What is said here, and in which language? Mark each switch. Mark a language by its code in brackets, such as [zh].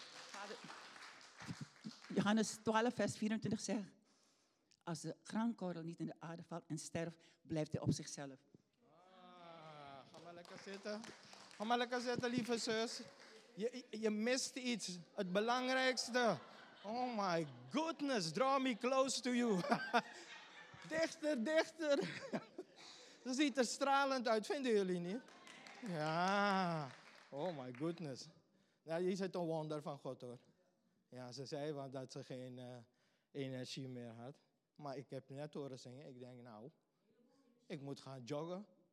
[nl] Vader, Johannes 12 vers 24 zegt, als de graankorrel niet in de aarde valt en sterft, blijft hij op zichzelf. Ah, ga maar lekker zitten. Ga maar lekker zitten, lieve zus. Je mist iets. Het belangrijkste. [en] Oh my goodness, draw me close to you. [nl] Dichter, dichter. Ze ziet er stralend uit, vinden jullie niet? Ja, [en] oh my goodness. [nl] Ja, hier zit een wonder van God hoor. Ja, ze zei wel dat ze geen energie meer had. Maar ik heb net horen zingen, ik denk nou, ik moet gaan joggen.